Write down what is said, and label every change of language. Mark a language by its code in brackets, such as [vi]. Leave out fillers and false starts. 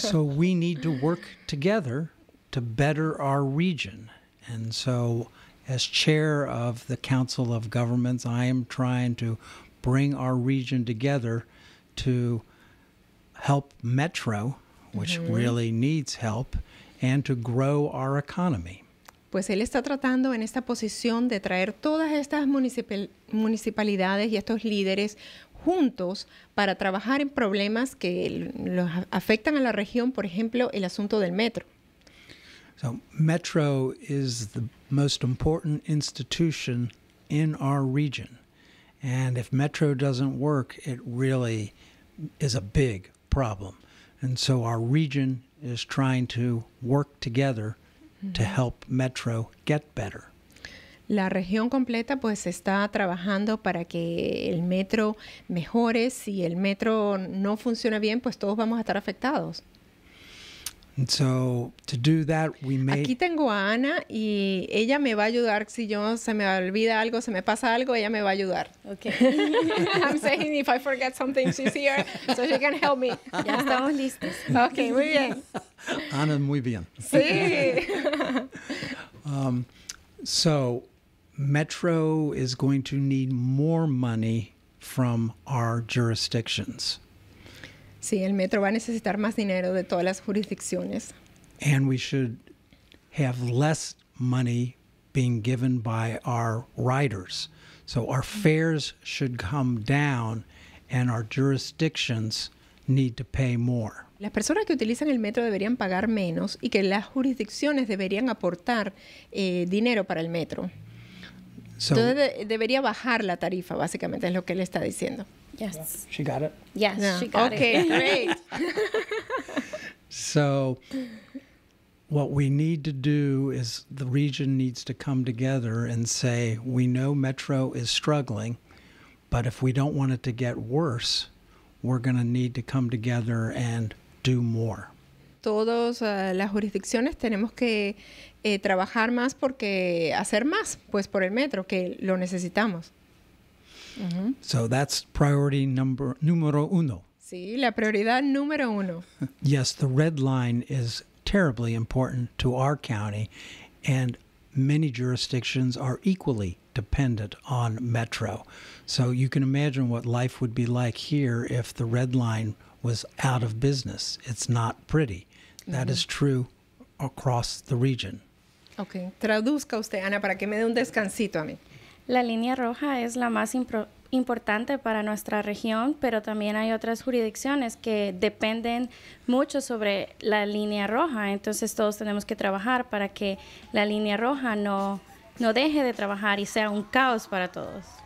[en] So we need to work together to better our region. And so as chair of the Council of Governments, I am trying to bring our region together to help Metro, which mm-hmm. really needs help, and to grow our economy. [es] Pues él está tratando en esta posición de traer todas estas municipalidades y estos líderes juntos para trabajar en problemas que los afectan a la región, por ejemplo, el asunto del metro. [en] So Metro is the most important institution in our region. And if Metro doesn't work, it really is a big problem. And so our region is trying to work together to help Metro get better. [es] La región completa pues está trabajando para que el metro mejore. Si el metro no funciona bien, pues todos vamos a estar afectados. [en] And so to do that, we may... [es] Aquí tengo a Ana y ella me va a ayudar. Si yo se me olvida algo, se me pasa algo, ella me va a ayudar. [en] Okay. I'm saying if I forget something, she's here, so she can help me. [es] Ya estamos listos. Okay, muy bien. Ana, muy bien. Sí. [en] So Metro is going to need more money from our jurisdictions. [es] Sí, el metro va a necesitar más dinero de todas las jurisdicciones. [en] And we should have less money being given by our riders. So our fares should come down and our jurisdictions need to pay more. [es] Las personas que utilizan el metro deberían pagar menos y que las jurisdicciones deberían aportar dinero para el metro. [en] So, [es] entonces debería bajar la tarifa, básicamente, es lo que él está diciendo. [en] Yes. She got it? Yes, no. She got okay, it. Okay, great. So what we need to do is the region needs to come together and say, we know Metro is struggling, but if we don't want it to get worse, we're going to need to come together and do more. [es] Todas las jurisdicciones tenemos que trabajar más porque hacer más, pues por el metro, que lo necesitamos. [en] Mm-hmm. So that's priority [es] numero uno. Sí, la prioridad número uno. [en] Yes, the red line is terribly important to our county, and many jurisdictions are equally dependent on Metro. So you can imagine what life would be like here if the red line was out of business. It's not pretty. That mm-hmm. is true across the region. [es] Okay, traduzca usted, Ana, para que me dé un descansito a mí. La línea roja es la más importante para nuestra región, pero también hay otras jurisdicciones que dependen mucho sobre la línea roja. Entonces todos tenemos que trabajar para que la línea roja no deje de trabajar y sea un caos para todos.